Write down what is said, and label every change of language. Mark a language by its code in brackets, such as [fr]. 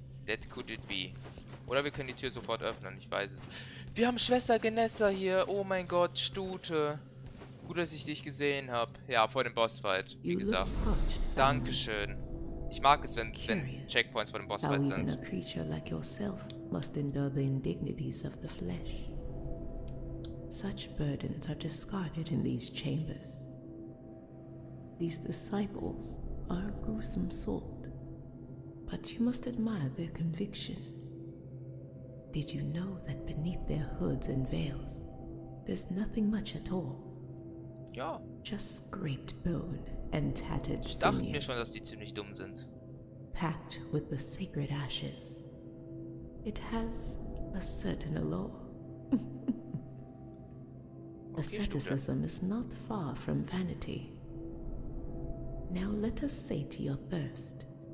[en] That could it be. [de] Oder wir können die Tür sofort öffnen. Ich weiß es. Wir haben Schwester Genessa hier. Oh mein Gott, Stute. Gut, dass ich dich gesehen habe. Ja, vor dem Bossfight, wie gesagt. Dankeschön. Ich mag es, wenn Checkpoints vor dem Bossfight sind. [en] A creature like yourself must endure the indignities of the flesh. Such burdens are discarded in these chambers. These disciples are a gruesome sort. But you must admire their conviction. Did you know that beneath their hoods and veils, there's nothing much at all? [de] Ja. [en] Just scraped bone and tattered sinew. [de] Ich dachte mir schon, dass die ziemlich dumm sind. [en] Packed with the sacred ashes. It has a certain allure. Asceticism is not far from vanity. Now let us sate your thirst.